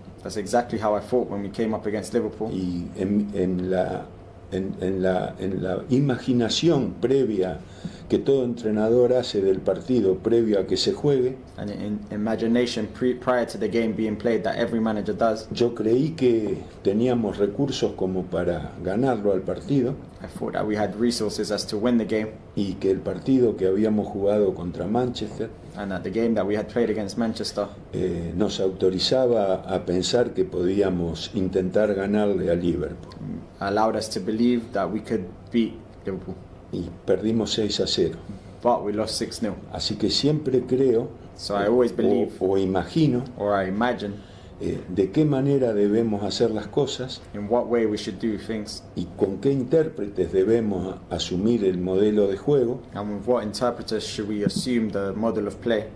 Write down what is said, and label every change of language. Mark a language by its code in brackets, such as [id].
[en] That's exactly how I thought when we came up against Liverpool. [es] Y en la imaginación previa que todo entrenador hace del partido previo a que se juegue. [en] And in imagination prior to the game being played that every manager does. [es] Yo creí que teníamos recursos como para ganarlo al partido. [en] I thought that we had resources as to win the game. [es] Y que el partido que habíamos jugado contra Manchester. [en] And that the game that we had played against Manchester. [es] Nos autorizaba a pensar que podíamos intentar ganarle a Liverpool. [en] Allowed us to believe that we could beat Liverpool. [es] Y perdimos 6-0. [en] But we lost 6-0. [es] Así que siempre creo, [en] so I always believe, [es] o imagino, [en] or I imagine, [es] de qué manera debemos hacer las cosas, [en] in what way we should do things, [es] y con qué intérpretes debemos asumir el modelo de juego, [en] and with what interpreters should we assume the model of play,